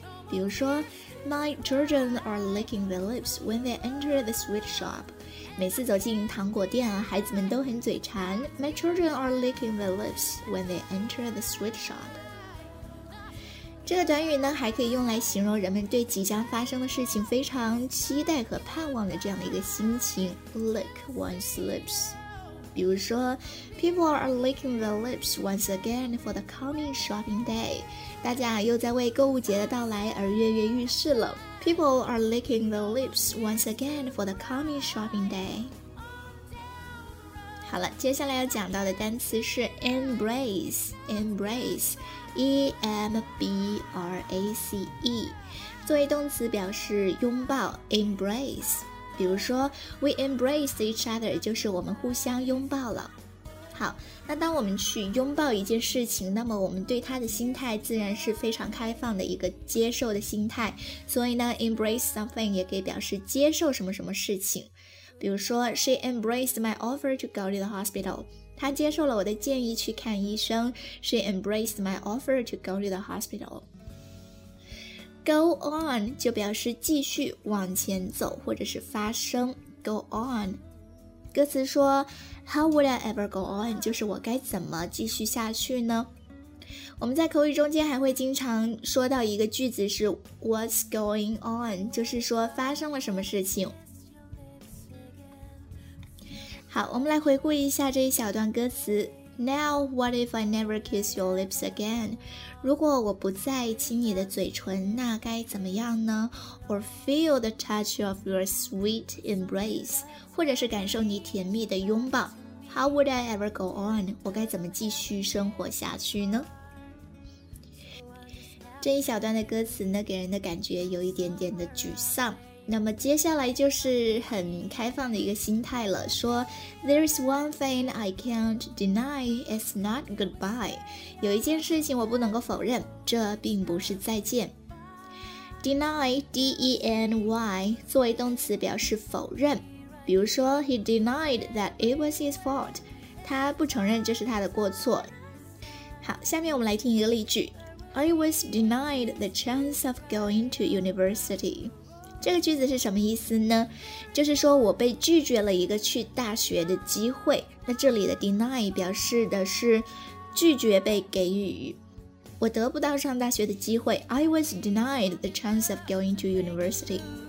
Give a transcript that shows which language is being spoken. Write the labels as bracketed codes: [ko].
[zh] 比如说 [en] My children are licking their lips when they enter the sweet shop. [zh] 每次走进糖果店，孩子们都很嘴馋。 [en] My children are licking their lips when they enter the sweet shop. [zh] 这个短语呢，还可以用来形容人们对即将发生的事情非常期待和盼望的这样的一个心情。 [en] Lick one's lips. [zh] 比如说 [en] ，People are licking their lips once again for the coming shopping day. [zh] 大家又在为购物节的到来而跃跃欲试了。 [en] People are licking their lips once again for the coming shopping day. [zh] 好了，接下来要讲到的单词是 embrace, embrace, E-M-B-R-A-C-E. 作为动词表示拥抱 embrace. 比如说 [en] we embraced each other, [zh] 就是我们互相拥抱了。好，那当我们去拥抱一件事情，那么我们对它的心态自然是非常开放的一个接受的心态。所以呢 embrace something 也可以表示接受什么什么事情。比如说 [en] She embraced my offer to go to the hospital. [zh] 她接受了我的建议去看医生。 [en] She embraced my offer to go to the hospital. [zh] Go on 就表示继续往前走或者是发生。Go on. 歌词说 [en] How would I ever go on? [zh] 就是我该怎么继续下去呢？我们在口语中间还会经常说到一个句子是 [en] What's going on? [zh] 就是说发生了什么事情。好，我们来回顾一下这一小段歌词。 [en] Now, what if I never kiss your lips again? [zh] 如果我不再亲你的嘴唇，那该怎么样呢？ [en] Or feel the touch of your sweet embrace? [zh] 或者是感受你甜蜜的拥抱。 [en] How would I ever go on? [zh] 我该怎么继续生活下去呢？这一小段的歌词呢，给人的感觉有一点点的沮丧。那么接下来就是很开放的一个心态了，说 [en] There is one thing I can't deny, it's not goodbye. [zh] 有一件事情我不能够否认，这并不是再见。 Deny, D-E-N-Y, 作为动词表示否认。比如说 [en] He denied that it was his fault. [zh] 他不承认这是他的过错。好，下面我们来听一个例句。 [en] I was denied the chance of going to university. [zh] 这个句子是什么意思呢？就是说我被拒绝了一个去大学的机会。那这里的 deny 表示的是拒绝被给予。我得不到上大学的机会。 [en] I was denied the chance of going to university.